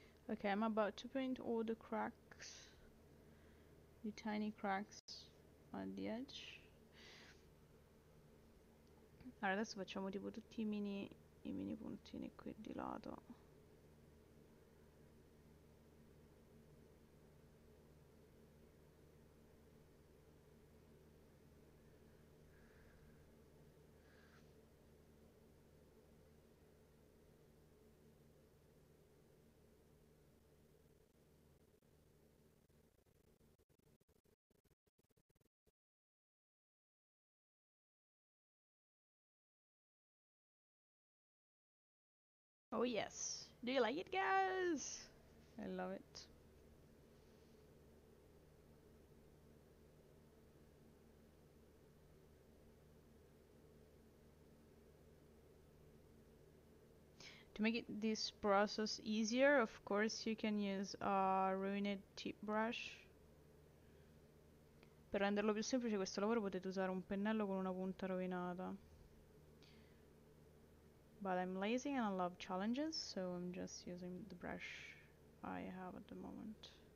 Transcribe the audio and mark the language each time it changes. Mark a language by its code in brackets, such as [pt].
[en] Okay, I'm about to paint all the cracks, the tiny cracks on the edge. [it] Allora, adesso facciamo tipo tutti i mini puntini qui di lato. [en] Oh yes. Do you like it, guys? I love it. To make this process easier, of course, you can use a ruined tip brush. [it] Per renderlo più semplice questo lavoro potete usare un pennello con una punta rovinata. [en] But I'm lazy and I love challenges, so I'm just using the brush I have at the moment.